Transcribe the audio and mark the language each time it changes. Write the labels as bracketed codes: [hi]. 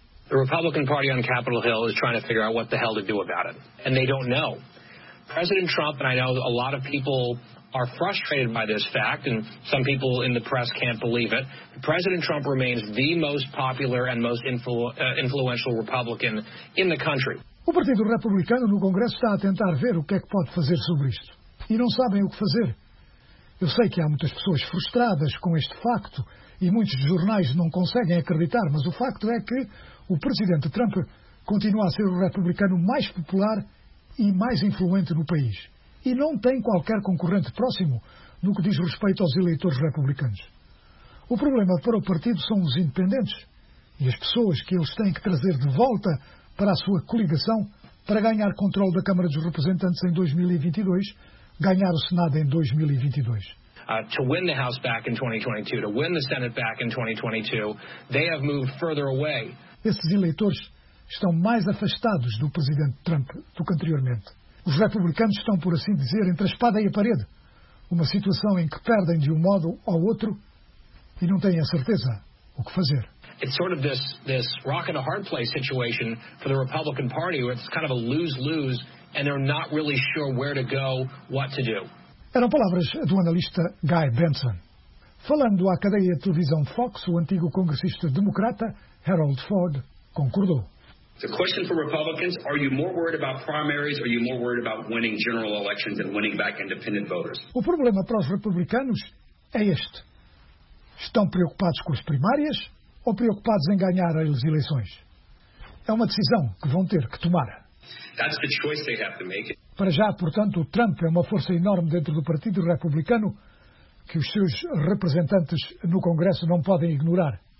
[en] The Republican Party on Capitol Hill is trying to figure out what the hell to do about it, and they don't know. President Trump, and I know a lot of people are frustrated by this fact, and some people in the press can't believe it. President Trump remains the most popular and most influential Republican in the country. [pt] O Partido Republicano no Congresso está a tentar ver o que é que pode fazer sobre isto, e não sabem o que fazer. Eu sei que há muitas pessoas frustradas com este facto e muitos jornais não conseguem acreditar, mas o facto é que o presidente Trump continua a ser o republicano mais popular e mais influente no país. E não tem qualquer concorrente próximo no que diz respeito aos eleitores republicanos. O problema para o partido são os independentes e as pessoas que eles têm que trazer de volta para a sua coligação para ganhar controle da Câmara dos Representantes em 2022, ganhar o Senado em 2022. [en] To win the House back in 2022, to win the Senate back in 2022, they have moved further away. [pt] Esses eleitores estão mais afastados do presidente Trump do que anteriormente. Os republicanos estão, por assim dizer, entre a espada e a parede, uma situação em que perdem de um modo ou outro e não têm a certeza o que fazer. [en] It's sort of this rock and a hard place situation for the Republican Party, where it's kind of a lose-lose, and they're not really sure where to go, what to do. [pt] Eram palavras do analista Guy Benson. Falando à cadeia de televisão Fox, o antigo congressista democrata Harold Ford concordou. [en] The question for Republicans, are you more worried about primaries or are you more worried about winning general elections and winning back independent voters? [pt] O problema para os republicanos é este. Estão preocupados com as primárias ou preocupados em ganhar as eleições? É uma decisão que vão ter que tomar. [en] That's the choice they have to make. [pt] Para já, portanto, o Trump é uma força enorme dentro do Partido Republicano que os seus representantes no Congresso não podem ignorar.